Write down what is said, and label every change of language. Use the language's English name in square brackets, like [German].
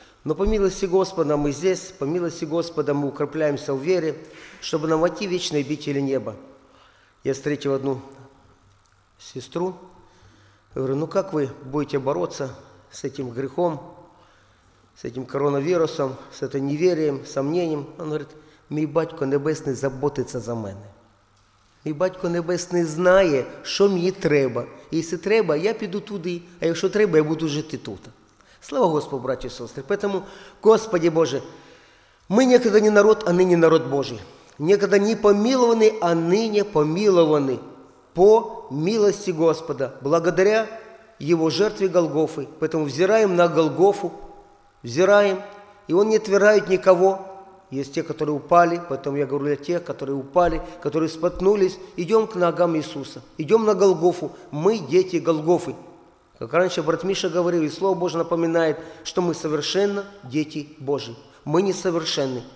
[Russian] Но по милости Господа мы здесь, по милости Господа мы укрепляемся в вере, чтобы нам войти в вечные обители неба. Я встретил одну сестру, говорю, ну как вы будете бороться с этим грехом, с этим коронавирусом, с этим неверием, сомнением? Она говорит, мой Батько Небесный заботится за мене. [Ukrainian] Мій Батько Небесний знає, що мені треба. І якщо треба, я піду туди. А якщо треба, я буду жити тут. Слава Господу, браті і сестри. Тому, Господи Боже, ми ніколи не народ, а нині народ Божий. Ніколи не помілований, а нині помілований. По милості Господа. Благодаря Його жертві Голгофи. Тому взираємо на Голгофу. Взираємо. І Він не відвергає нікого. [Russian] Есть те, которые упали, поэтому я говорю о тех, которые упали, которые споткнулись. Идем к ногам Иисуса, идем на Голгофу. Мы дети Голгофы. Как раньше брат Миша говорил, и Слово Божие напоминает, что мы совершенно дети Божьи. Мы несовершенны.